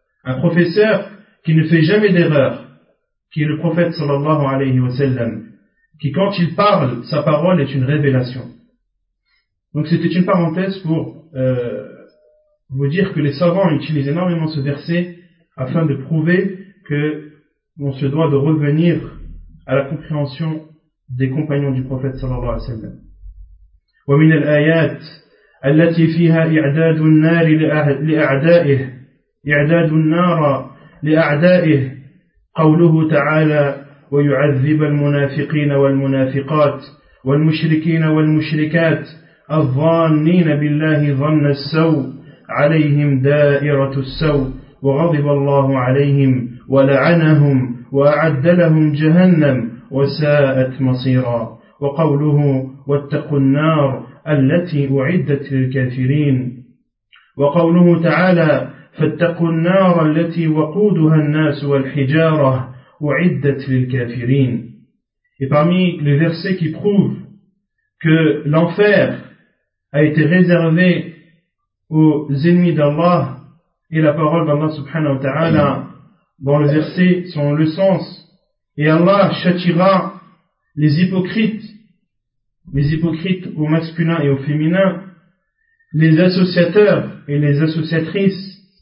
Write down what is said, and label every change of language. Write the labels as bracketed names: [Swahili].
[French] Un professeur qui ne fait jamais d'erreur, qui est le prophète sallallahu alayhi wa sallam, qui quand il parle, sa parole est une révélation. Donc c'était une parenthèse pour vous dire que les savants utilisent énormément ce verset afin de prouver que on se doit de revenir à la compréhension des compagnons du prophète sallallahu alayhi wa sallam. [Arabic] ومن الآيات التي فيها إعداد النار لأعدائه إعداد النار لأعدائه قوله تعالى ويعذب المنافقين والمنافقات والمشركين والمشركات الظانين بالله ظن السوء عليهم دائرة السوء وغضب الله عليهم ولعنهم وأعد لهم جهنم وساءت مصيرا وقوله واتقوا النار التي أعدت للكافرين وقوله تعالى فاتقوا النار التي وقودها الناس والحجارة أعدت للكافرين. [French] Et parmi les versets qui prouvent que l'enfer a été réservé aux ennemis d'Allah et la parole d'Allah subhanahu wa ta'ala dans le verset sont le sens, et Allah châtiera les hypocrites, les hypocrites au masculin et au féminin, les associateurs et les associatrices,